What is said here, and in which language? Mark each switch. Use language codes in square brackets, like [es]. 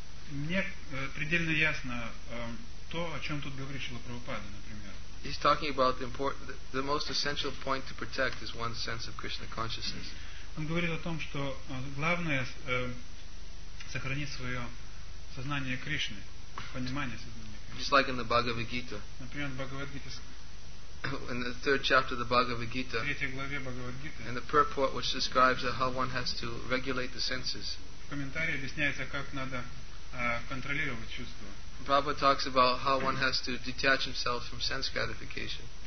[ru] Мне предельно ясно то, о чем тут говорит Шрила Прабхупада, например. [en] He's talking about the most essential point to protect is one's sense of Krishna consciousness. [ru] Он говорит о том, что главное сохранить свое сознание Кришны, понимание сознания Кришны. [en] Just like in the Bhagavad Gita. [ru] Например, в Бхагавад Гите. [en] In the third chapter of the Bhagavad Gita, in the purport which describes how one has to regulate the senses, Prabhupada talks about how one has to detach himself from sense gratification.